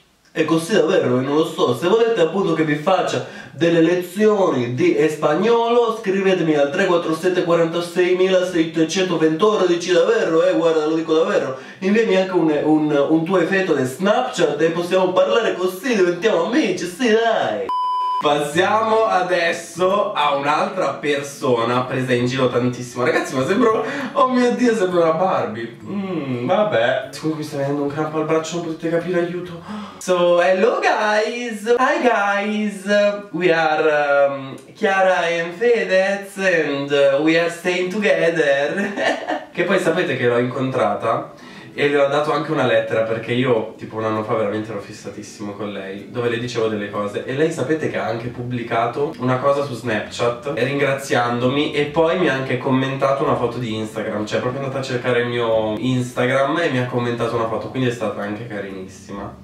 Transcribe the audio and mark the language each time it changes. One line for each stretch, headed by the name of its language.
Italian: è così davvero, non lo so, se volete appunto che vi faccia delle lezioni di spagnolo, scrivetemi al 347-46-6721, davvero, guarda, lo dico davvero, inviami anche un tuo effetto di Snapchat e possiamo parlare così, diventiamo amici, sì, dai! Passiamo adesso a un'altra persona presa in giro tantissimo. Ragazzi, ma sembro, oh mio Dio, sembra una Barbie. Vabbè. Comunque mi sta venendo un crampo al braccio, non potete capire, aiuto.
English: So, hello guys. Hi guys. We are Chiara e Fedez and we are staying together.
Italian: Che poi sapete che l'ho incontrata e le ho dato anche una lettera, perché io tipo un anno fa veramente ero fissatissimo con lei, dove le dicevo delle cose, e lei sapete che ha anche pubblicato una cosa su Snapchat ringraziandomi, e poi mi ha anche commentato una foto di Instagram, cioè è proprio andata a cercare il mio Instagram e mi ha commentato una foto, quindi è stata anche carinissima.